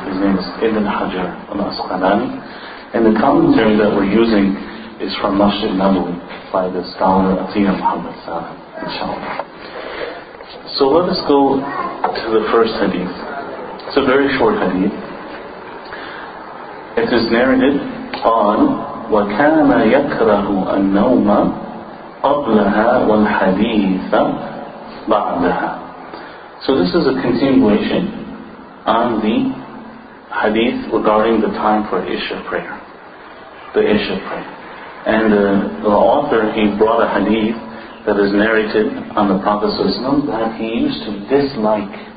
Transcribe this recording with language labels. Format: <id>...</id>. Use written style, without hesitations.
<en>His name is Ibn Hajar al-Asqalani. And the commentary that we're using is from Masjid Nabawi by the scholar Atiyah Muhammad Salah, inshallah. So let us go to the first hadith. It's a very short hadith. It is narrated on</en> <ar>وَكَانَ يَكْرَهُ النَّوْمَ قَبْلَهَا وَالْحَدِيثَ بَعْدَهَا.</ar> <en>So this is a continuation on the hadith regarding the time for Isha prayer. The Isha prayer. And the author, he brought a hadith that is narrated on the Prophet ﷺ that he used to dislike.</en>